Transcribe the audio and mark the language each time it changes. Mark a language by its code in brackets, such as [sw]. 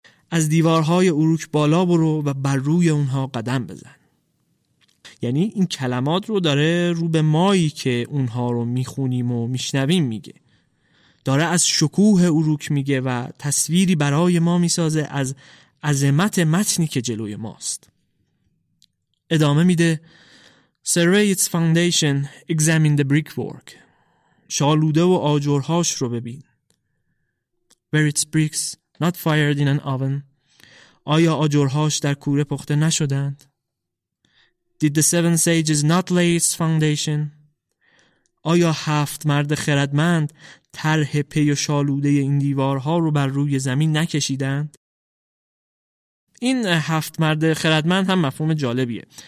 [fa] از دیوارهای اوروک بالا برو و بر روی اونها قدم بزن. یعنی این کلمات رو داره رو به مایی که اونها رو میخونیم و میشنویم میگه. داره از شکوه اوروک میگه و تصویری برای ما میسازه از عظمت متنی که جلوی ماست. ادامه میده [en] Survey its foundation, examine the brickwork. [fa] شالوده و آجرهاش رو ببین. [en] Where its bricks not fired in an oven. [fa] آیا آجرهاش در کوره پخته نشدند؟ [en] Did the seven sages not lay its foundation? [fa] آیا هفت مرد خردمند طرح پی و شالوده این دیوارها رو بر روی زمین نکشیدند؟ این هفت مرد خردمند هم مفهوم جالبیه.